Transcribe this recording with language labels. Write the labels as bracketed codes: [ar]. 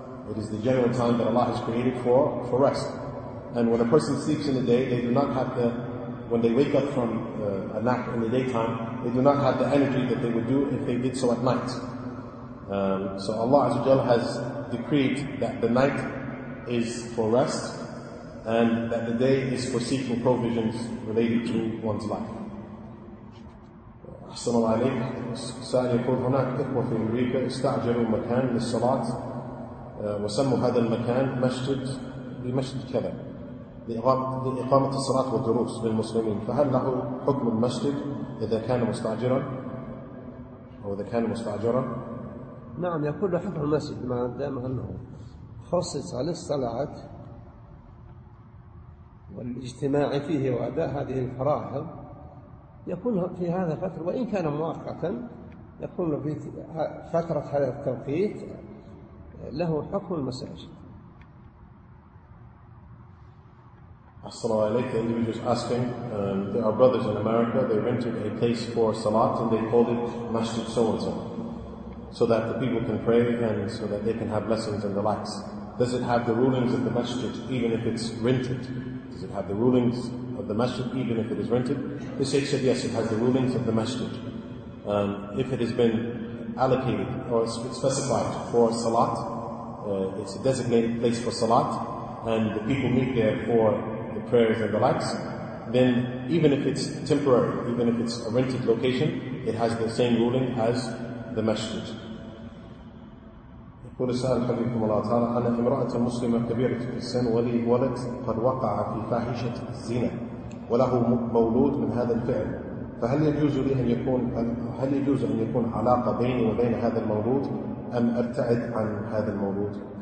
[en] It is the general time that Allah has created for rest. And when a person sleeps in the day, they do not have the, when they wake up from a nap in the daytime, they do not have the energy that they would do if they did so at night. So Allah has decreed that the night is for rest, and that the day is for seeking provisions related to one's life. [ar] أحسن الله عليك. سأل يقول هناك إخوة في أمريكا استعجلوا مكان للصلاة وسموا هذا المكان مسجد بمسجد كذا لإقامة الصلاة والدروس للمسلمين، فهل له حكم المسجد إذا كان مستعجرا أو إذا كان مستعجرا؟ نعم، يقول له حكم المسجد ما دام أنه خصص للصلاة والاجتماع فيه وأداء هذه الفرائض يكون في هذا الفترة، وإن كان مؤقتا يكون في فترة هذا التوقيت له حكم المساجد. As-salamu alaykum. [en] We were just asking, there are brothers in America, they rented a place for Salat and they called it Masjid so-and-so, so that the people can pray and so that they can have lessons and the likes. Does it have the rulings of the Masjid even if it's rented? Does it have the rulings of the masjid even if it is rented? The Sheikh said yes, it has the rulings of the masjid. If it has been allocated or specified for Salat, it's a designated place for Salat, and the people meet there for the prayers and the likes, then even if it's temporary, even if it's a rented location, it has the same ruling as the masjid. [ar] يقول السائل حفظكم الله تعالى: أنا امرأة مسلمة كبيرة في السن ولي ولد قد وقع في فاحشة الزنا وله مولود من هذا الفعل، فهل يجوز لي أن يكون علاقة بيني وبين هذا المولود أم أبتعد عن هذا المولود؟